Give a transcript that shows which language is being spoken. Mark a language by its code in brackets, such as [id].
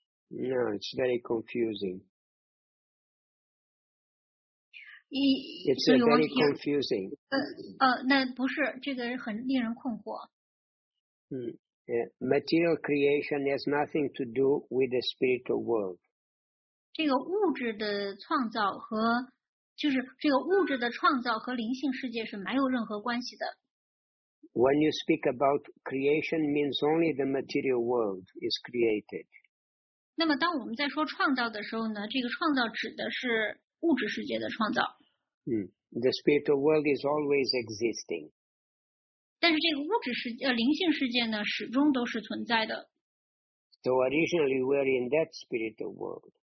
[en] No, it's very confusing. It's very confusing. [zh] 不是，这个很令人困惑。 [en] Material creation has nothing to do with the spiritual world. [zh] 这个物质的创造和，就是这个物质的创造和灵性世界是没有任何关系的。 [en] When you speak about creation, means only the material world is created. [zh] 那么当我们在说创造的时候呢，这个创造指的是物质世界的创造。 [en] The spiritual world is always existing. [zh] 但是这个物质世界，灵性世界呢，始终都是存在的。 [en] So originally we're in that spiritual world.